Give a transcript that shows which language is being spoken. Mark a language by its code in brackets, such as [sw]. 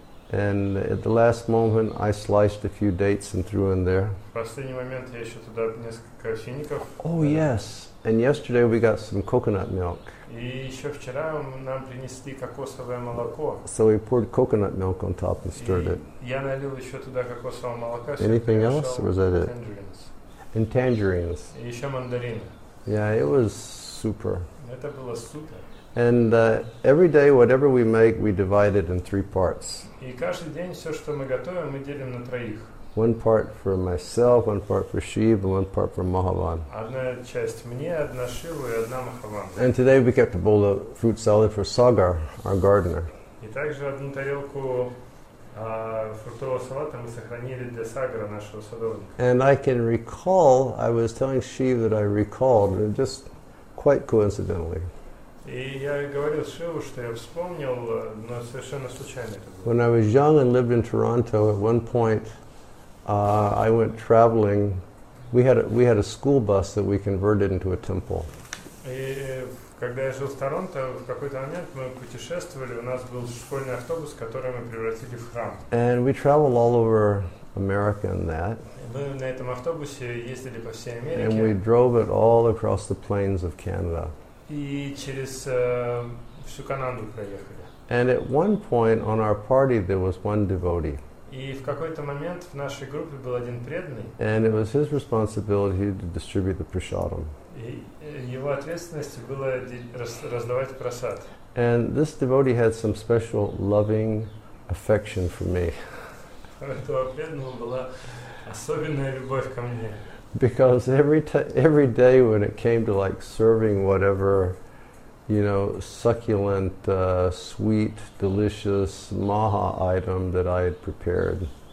[en] And at the last moment, I sliced a few dates and threw in there. [ru] В последний момент я еще туда несколько фиников. [en] Oh yes. And yesterday we got some coconut milk. [ru] И еще вчера нам принесли кокосовое молоко. [en] So we poured coconut milk on top and stirred it. [ru] Я налил еще туда кокосового молока. [en] Anything else, or was that it? Tangerines. And tangerines. [ru] И еще мандарины. [en] Yeah, it was super. [ru] Это было супер. [en] And every day, whatever we make, we divide it in three parts. [ru] И каждый день все, что мы готовим, мы делим на троих. [en] One part for myself, one part for Shiv, and one part for Mahavan. [ru] Одна часть мне, одна Шиву и одна Махаван. [en] And today we kept a bowl of fruit salad for Sagar, our gardener. [ru] И также одну тарелку фруктового салата мы сохранили для Сагара, нашего садовника. [en] And I can recall, I was telling Shiv that I recalled, just quite coincidentally. [ru] И я говорил Шиву, что я вспомнил, но совершенно случайно это было. [en] When I was young and lived in Toronto, at one point, I went traveling. We had a school bus that we converted into a temple. [ru] И когда я жил в Торонто, в какой-то момент мы путешествовали, у нас был школьный автобус, который мы превратили в храм. [en] And we traveled all over America in that. [ru] Мы на этом автобусе ездили по всей Америке. [en] And we drove it all across the plains of Canada. [ru] И через всю Канаду проехали. [en] And at one point on our party there was one devotee. [ru] И в какой-то момент в нашей группе был один преданный. [en] And it was his responsibility to distribute the prasadam. [ru] И его ответственность была раздавать прасад. [en] And this devotee had some special loving affection for me. [ru] У этого преданного была особенная любовь ко мне. [en] Because every day when it came to like serving whatever, you know, succulent, sweet, delicious maha item that I had prepared.